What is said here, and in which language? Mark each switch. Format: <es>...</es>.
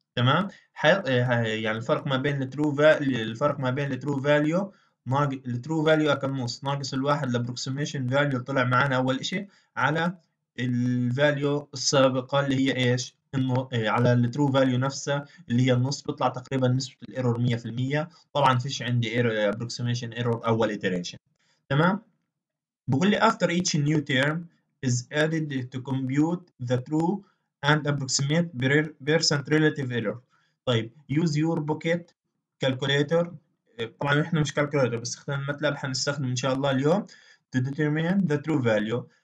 <ar>تمام، يعني الفرق ما بين الترو الفرق ما بين الترو فاليو ناقص الترو فاليو اكم نص ناقص الواحد الابروكسيميشن فاليو طلع معانا اول شيء على الفاليو السابقه اللي هي ايش؟ على الترو فاليو نفسها اللي هي النص، بيطلع تقريبا نسبه الايرور 100%. طبعا فيش عندي ابروكسيميشن ايرور اول اتريشن. تمام، بقول لي</ar> <en>after each new term is added to compute the true and approximate percent relative error.</en> <ar>طيب</ar> <en>use your pocket calculator.</en> <ar>طبعا احنا مش calculator بنستخدم الماتلاب، حنستخدم ان شاء الله اليوم</ar> <en>to determine the true value.</en>